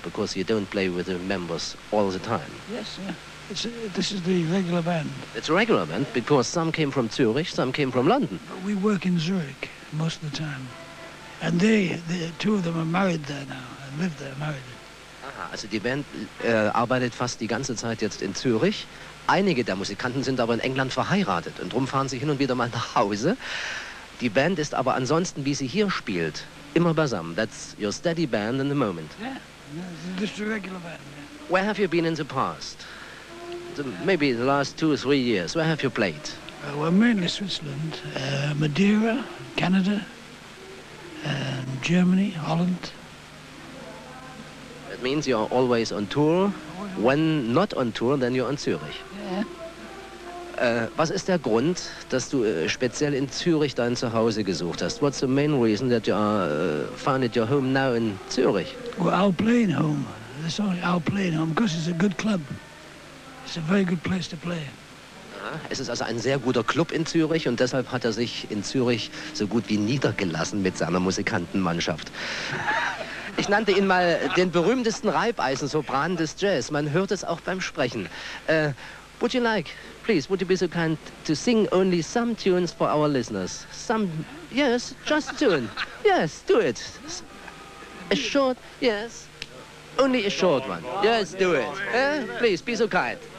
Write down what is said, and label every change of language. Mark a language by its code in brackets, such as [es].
[en] Because you don't play with the members all the time. Yes, yeah. This is the regular band. It's a regular band because some came from Zurich, some came from London. But we work in Zurich most of the time. And two of them are married there now and live there, married. [de] Also die Band arbeitet fast die ganze Zeit jetzt in Zürich. Einige der Musikanten sind aber in England verheiratet und drum fahren sie hin und wieder mal nach Hause. Die Band ist aber ansonsten, wie sie hier spielt, immer beisammen. [en] That's your steady band in the moment. Yeah, this is a regular band. Yeah. Where have you been in the past? Maybe the last two or three years. Where have you played? Well, mainly Switzerland, Madeira, Canada, Germany, Holland. That means you are always on tour. When not on tour, then you're in Zürich. Yeah. [de] Was ist der Grund, dass du speziell in Zürich dein Zuhause gesucht hast? [en] What's the main reason that you are founded your home now in Zürich? Well, our playing home. That's only our playing home, because it's a good club. It's a very good place to play. [de] Es ist also ein sehr guter Club in Zürich und deshalb hat er sich in Zürich so gut wie niedergelassen mit seiner Musikantenmannschaft. Ich nannte ihn mal den berühmtesten Reibeisensopran des Jazz. Man hört es auch beim Sprechen. [en] Would you like, please, would you be so kind to sing only some tunes for our listeners? Some, yes, just a tune. Yes, do it. A short, yes, only a short one. Yes, do it. Please, be so kind.